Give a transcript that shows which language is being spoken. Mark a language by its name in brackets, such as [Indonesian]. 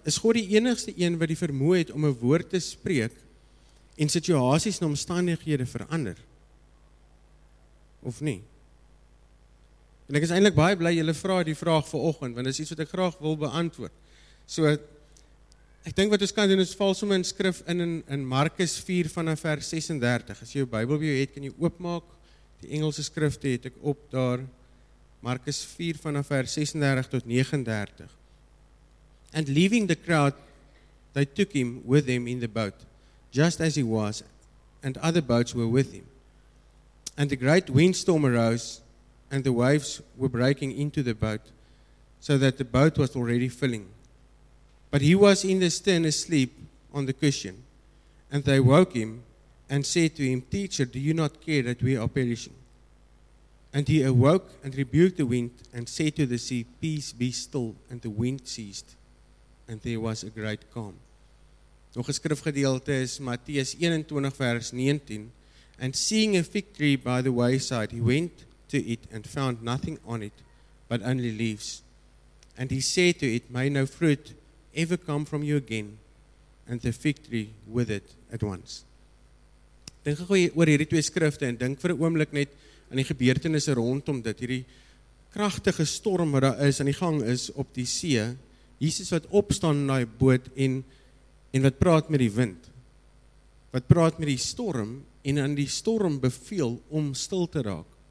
[Afrikaans] Is God die enigste een wat die vermoë het om 'n woord te spreek en situasies en omstandighede verander? Of nie? En ek is eintlik baie bly julle vra die vraag vanoggend, want dit is iets wat ek graag wil beantwoord. So ek dink wat ons kan doen is val sommer in skrif in Markus 4 vanaf vers 36. As jy jou Bybel by jou het, kan jy oopmaak. Die Engelse skrifte het ek op daar. Markus 4 vanaf vers 36 tot 39. [English] And leaving the crowd, they took him with them in the boat, just as he was, and other boats were with him. And the great windstorm arose, and the waves were breaking into the boat, so that the boat was already filling. But he was in the stern asleep on the cushion, and they woke him and said to him, Teacher, do you not care that we are perishing? And he awoke and rebuked the wind and said to the sea, Peace, be still. And the wind ceased, and there was a great calm. [Afrikaans] Nog 'n skrifgedeelte is Matteus 21 vers 19. [English] And seeing a fig tree by the wayside, he went to it and found nothing on it but only leaves. And he said to it, May no fruit ever come from you again, and the fig tree with it at once. [Afrikaans] Dink gou oor hierdie twee skrifte en dink vir 'n oomblik net aan die gebeurtenisse rondom dit, hierdie kragtige storm wat daar is aan die gang is op die see, Jesus wat opstaan in daai boot en wat praat met die wind, wat praat met die storm en aan die storm beveel om stil te raak.